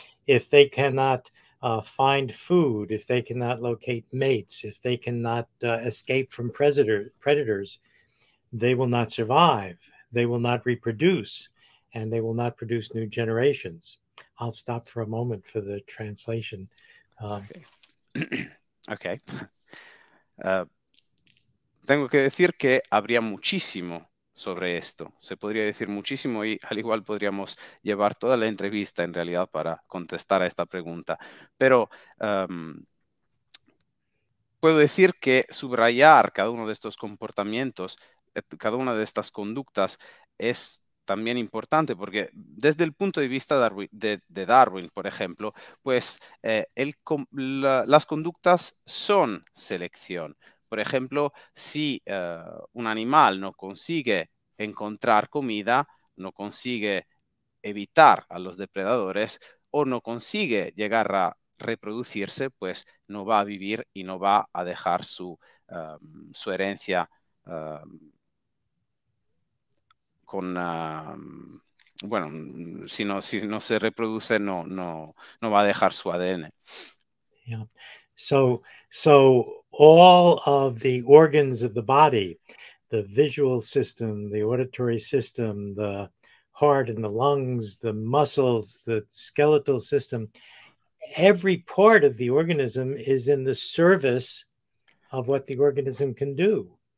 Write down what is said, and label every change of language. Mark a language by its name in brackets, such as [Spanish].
[English] If they cannot find food, if they cannot locate mates, if they cannot escape from predators, they will not survive. They will not reproduce, and they will not produce new generations. I'll stop for a moment for the translation. Okay. [Spanish] Tengo que decir que habría muchísimo sobre esto. Se podría decir muchísimo y al igual podríamos llevar toda la entrevista en realidad para contestar a esta pregunta. Pero puedo decir que subrayar cada uno de estos comportamientos, cada una de estas conductas, es también importante porque desde el punto de vista de Darwin, por ejemplo, pues las conductas son selección. Por ejemplo, si un animal no consigue encontrar comida, no consigue evitar a los depredadores o no consigue llegar a reproducirse, pues no va a vivir y no va a dejar su herencia si no se reproduce, no va a dejar su ADN. [English] Yeah. So all of the organs of the body, the visual system, the auditory system, the heart and the lungs, the muscles, the skeletal system, every part of the organism is in the service of what the organism can do.